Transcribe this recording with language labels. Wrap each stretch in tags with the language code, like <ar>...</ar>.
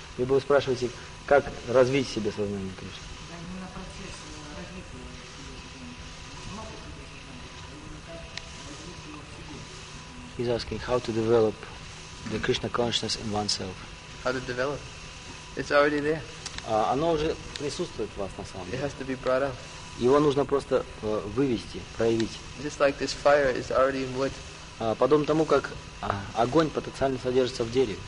<ru>Либо вы спрашиваете, как развить себе сознание Кришны? Да, именно процесс развития.</ru> <en>He's asking how to develop the Krishna consciousness in oneself. How to develop? It's already there.</en> <ru>Оно уже присутствует в вас на самом деле.</ru> <en>It has to be brought out.</en> <ru>Его нужно просто вывести, проявить.</ru> <en>Just like this fire is already in wood.</en> <ru>Подобно тому, как огонь потенциально содержится в дереве.</ru>